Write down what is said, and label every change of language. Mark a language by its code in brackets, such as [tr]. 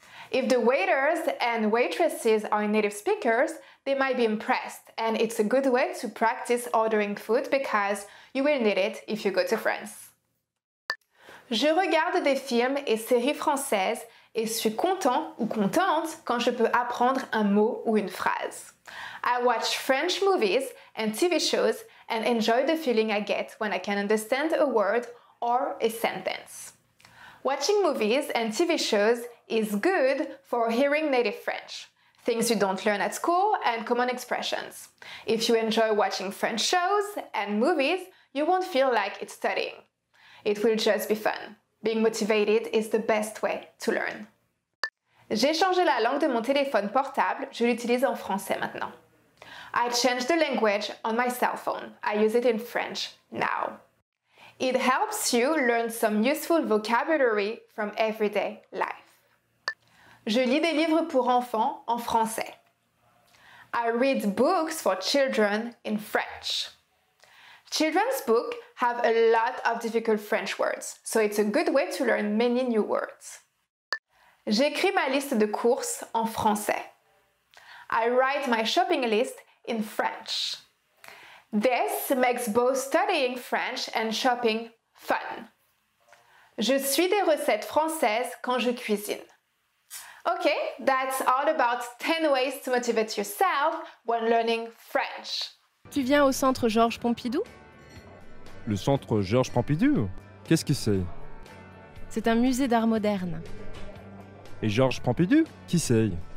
[en] If the waiters and waitresses are native speakers, they might be impressed, and it's a good way to practice ordering food because you will need it if you go to France. [fr] Je regarde des films et séries françaises et suis content ou contente quand je peux apprendre un mot ou une phrase. [en] I watch French movies and TV shows and enjoy the feeling I get when I can understand a word or a sentence. Watching movies and TV shows is good for hearing native French, things you don't learn at school, and common expressions. If you enjoy watching French shows and movies, you won't feel like it's studying. It will just be fun. Being motivated is the best way to learn. [fr] J'ai changé la langue de mon téléphone portable, je l'utilise en français maintenant. [en] I changed the language on my cell phone. I use it in French now. It helps you learn some useful vocabulary from everyday life. [fr] Je lis des livres pour enfants en français. [en] I read books for children in French. Children's books have a lot of difficult French words, so it's a good way to learn many new words. [fr] J'écris ma liste de courses en français. [en] I write my shopping list in French. This makes both studying French and shopping fun. [fr] Je suis des recettes françaises quand je cuisine. [en] Okay, that's all about 10 ways to motivate yourself when learning French. [fr] Tu viens au centre Georges Pompidou? Le centre Georges Pompidou? Qu'est-ce que c'est? C'est un musée d'art moderne. Et Georges Pompidou, qui c'est?